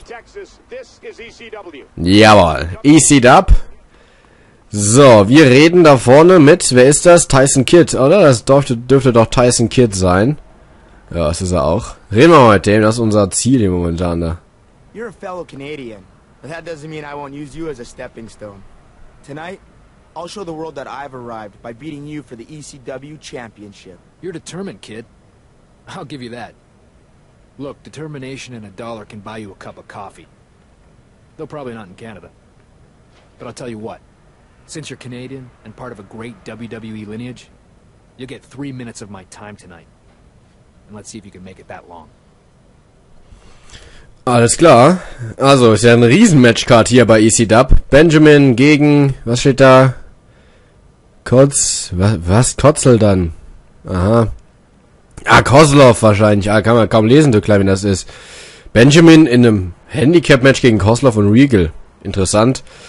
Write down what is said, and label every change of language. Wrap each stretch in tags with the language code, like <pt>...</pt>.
<de>Jawohl, ECW. So, wir reden da vorne mit, wer ist das? Tyson Kidd, oder? Das dürfte doch Tyson Kidd sein. Ja, das ist er auch. Reden wir mal mit dem, das ist unser Ziel hier momentan da.</de> <en>You're a fellow Canadian, but that doesn't mean I won't use you as a stepping stone. Tonight, I'll show the world that I've arrived by beating you for the ECW Championship. You're determined, Kidd. I'll give you that. Look, determination and a dollar can buy you a cup of coffee. Though probably not in Canada. But I'll tell you what. Since you're Canadian and part of a great WWE lineage, you'll get 3 minutes of my time tonight. And let's see if you can make it that long.</en> <de>Alles klar. Also, ist ja ein Riesen-Matchcard hier bei ECW. Benjamin gegen, was steht da? Kotzel dann? Aha. Ah, Kozlov wahrscheinlich. Ah, kann man kaum lesen, so klein wie das ist. Benjamin in einem Handicap-Match gegen Kozlov und Regal. Interessant.</de>